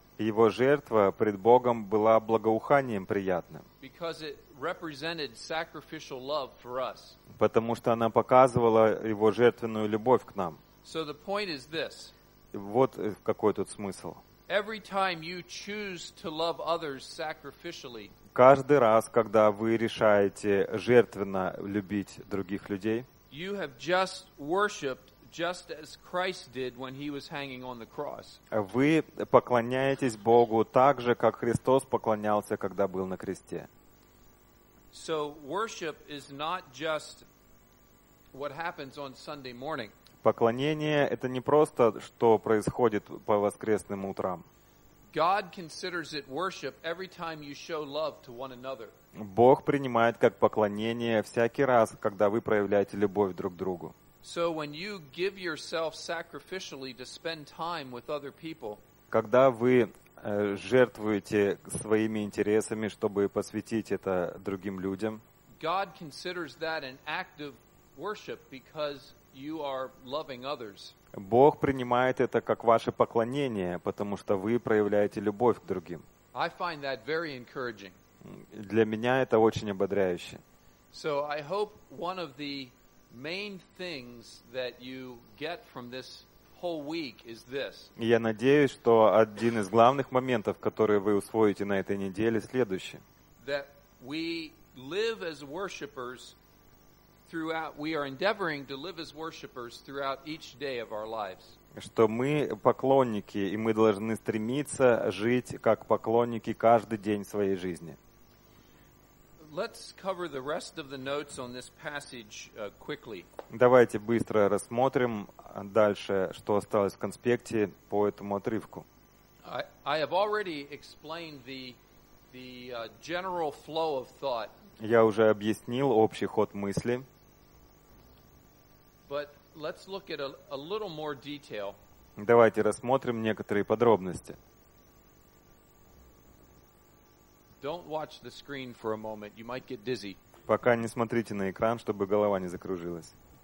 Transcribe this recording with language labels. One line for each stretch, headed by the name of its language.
Russian: Его жертва пред Богом была благоуханием приятным.
English: Because it represented sacrificial love for us.
Russian: Потому что она показывала его жертвенную любовь к нам.
English: So the point is this.
Russian: Вот какой тут смысл.
English: Every time you choose to love others sacrificially,
Russian: каждый раз, когда вы решаете жертвенно любить других людей,
English: you have just worshipped just as Christ did when he was hanging on the cross.
Russian: Вы поклоняетесь Богу так же, как Христос поклонялся, когда был на кресте.
English: So worship is not just what happens on Sunday morning.
Russian: Поклонение это не просто что происходит по воскресным утрам.
English: God considers it worship every time you show love to one another.
Russian: Бог принимает как поклонение всякий раз, когда вы проявляете любовь друг к другу.
English: So when you give yourself sacrificially to spend time with other people,
Russian: когда вы жертвуете своими интересами, чтобы посвятить это другим людям,
English: God considers that an act of worship because you are loving others.
Russian: Бог принимает это как ваше поклонение, потому что вы проявляете любовь к другим.
English: I find that very encouraging.
Russian: Для меня это очень ободряюще.
English: So I hope one of the main things that you get from this whole week is this.
Russian: Я надеюсь, что один из главных моментов, которые вы усвоите на этой неделе, следующий.
English: That we live as worshipers throughout, we are endeavoring to live as worshipers throughout each day of our lives.
Russian: Что мы поклонники, и мы должны стремиться жить как поклонники каждый день своей жизни.
English: Let's cover the rest of the notes on this passage quickly.
Russian: Давайте быстро рассмотрим дальше, что осталось в конспекте по этому отрывку.
English: I have already explained the general flow of thought.
Russian: Я уже объяснил общий ход мысли.
English: But let's look at a little more detail.
Russian: Давайте рассмотрим некоторые подробности.
English: Don't watch the screen for a moment. You might get dizzy.
Russian: Пока не смотрите на экран, чтобы голова не закружилась.